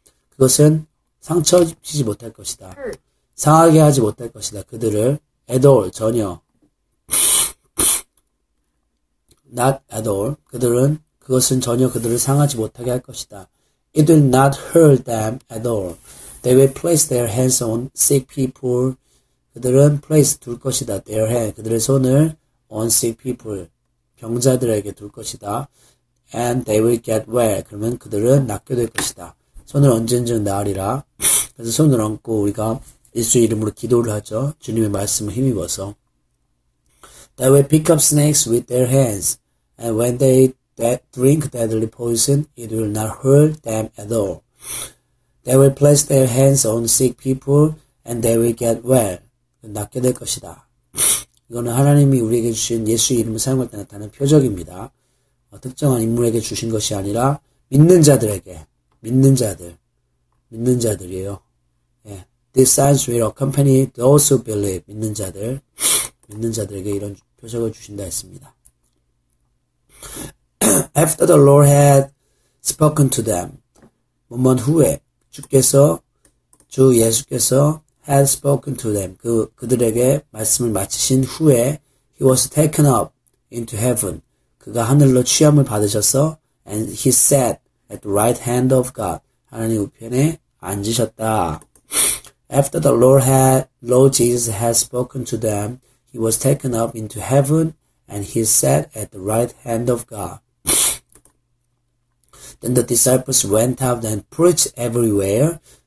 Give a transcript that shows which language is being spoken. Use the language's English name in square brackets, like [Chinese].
[Korean] 그것은 상처 입히지 못할 것이다. [English] Hurt. [Korean] 상하게 하지 못할 것이다. 그들을 [English] at all, [Korean] 전혀. [English] Not at all. [Korean] 그들은 그것은 전혀 그들을 상하지 못하게 할 것이다. [English] It will not hurt them at all. They will place their hands on sick people. [Korean] 그들은 [English] place [Korean] 둘 것이다. [English] Their hands, [Korean] 그들의 손을 [English] on sick people, [Korean] 병자들에게 둘 것이다. [English] And they will get well. [Korean] 그러면 그들은 낫게 될 것이다. 손을 언젠지는 나으리라. 그래서 손을 얹고 우리가 예수 이름으로 기도를 하죠. 주님의 말씀을 힘입어서. [English] They will pick up snakes with their hands. And when they drink deadly poison, it will not hurt them at all. They will place their hands on sick people and they will get well. [Korean] 낫게 될 것이다. 이거는 하나님이 우리에게 주신 예수 이름을 사용할 때 나타나는 표적입니다. 특정한 인물에게 주신 것이 아니라 믿는 자들에게, 믿는 자들이에요. [English] Yeah. These signs will accompany those who believe. [Korean] 믿는 자들에게 이런 표적을 주신다 했습니다. [English] After the Lord had spoken to them, [Korean] 몇 후에 주 예수께서 [English] had spoken to them, [Korean] 그들에게 말씀을 마치신 후에 [English] he was taken up into heaven. [Korean] 그가 하늘로 취함을 받으셔서 [English] and he sat at the right hand of God. [Korean] 하나님 우편에 앉으셨다. [English] After the Lord Jesus had spoken to them, he was taken up into heaven and he sat at the right hand of God. Then the disciples went out and preached everywhere.